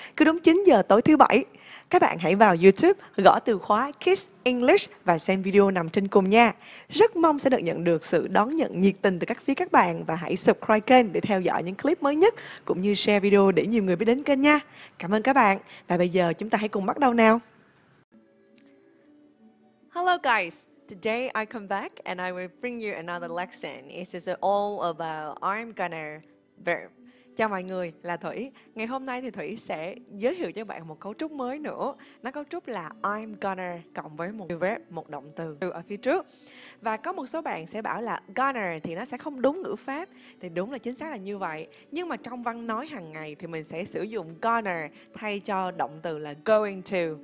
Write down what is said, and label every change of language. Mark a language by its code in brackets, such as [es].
[vi] Cứ đúng 9 giờ tối thứ bảy, các bạn hãy vào YouTube gõ từ khóa Kiss English và xem video nằm trên cùng nha. Rất mong sẽ được nhận được sự đón nhận nhiệt tình từ các phía các bạn và hãy subscribe kênh để theo dõi những clip mới nhất cũng như share video để nhiều người biết đến kênh nha. Cảm ơn các bạn và bây giờ chúng ta hãy cùng bắt đầu nào. [en] Hello guys. Today I come back and I will bring you another lesson. It is all about I'm gonna verb. [vi] Chào mọi người, là Thủy. Ngày hôm nay thì Thủy sẽ giới thiệu cho bạn một cấu trúc mới nữa. Nó cấu trúc là [en] I'm gonna [vi] cộng với một verb, một động từ ở phía trước. Và có một số bạn sẽ bảo là gonna thì nó sẽ không đúng ngữ pháp. Thì đúng là chính xác là như vậy. Nhưng mà trong văn nói hàng ngày thì mình sẽ sử dụng gonna thay cho động từ là going to.